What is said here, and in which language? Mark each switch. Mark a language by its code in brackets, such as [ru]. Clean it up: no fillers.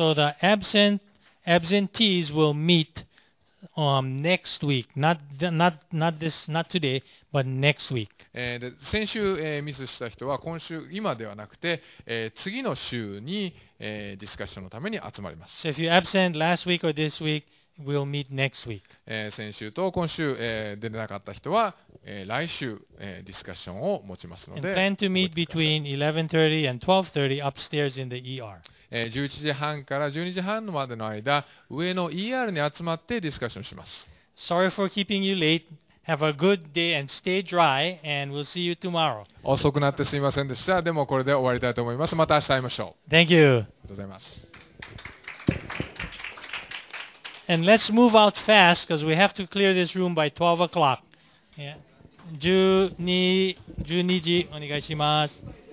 [en] So the absentees will meet. Next week, not this, not today, but next week. [ja] 先週、ミスした人は今週、今ではなくて、次の週に、ディスカッションのために集まります。 [en] So if you're absent last week or this week, we'll meet next week. [ja] 先週と今週、出れなかった人は、来週、ディスカッションを持ちますので。 [en] And plan to meet between 11:30 and 12:30 upstairs in the ER. [ja] 11時半から12時半までの間、上の ER に集まってディスカッションします。 [en] Sorry for keeping you late. Have a good day and stay dry, and we'll see you tomorrow. [ja] 遅くなってすみませんでした。でもこれで終わりたいと思います。また明日会いましょう。 [en] Thank you. [ja] ありがとうございます。 [en] And let's move out fast because we have to clear this room by 12 o'clock. [ja] 12時お願いします。